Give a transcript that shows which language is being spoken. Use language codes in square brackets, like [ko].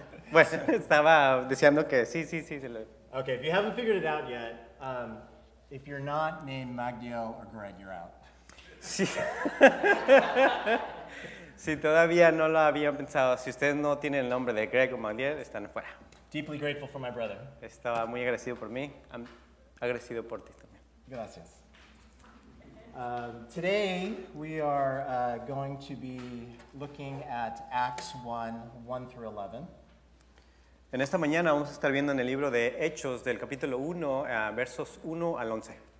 [es] Bueno, estaba deseando que sí. [en] Okay, if you haven't figured it out yet, if you're not named Magdiel or Greg, you're out. [es] Sí. Si todavía no lo habían pensado, si ustedes no tienen el nombre de Greg o Magdiel, están afuera. [en] Deeply grateful for my brother. [es] Estaba muy agradecido por mí. Agradecido por ti también. Gracias. [en] Today we are going to be looking at Acts 1:1-11. [es] En esta mañana vamos a estar viendo en el libro de Hechos del capítulo 1, versos 1 al 11.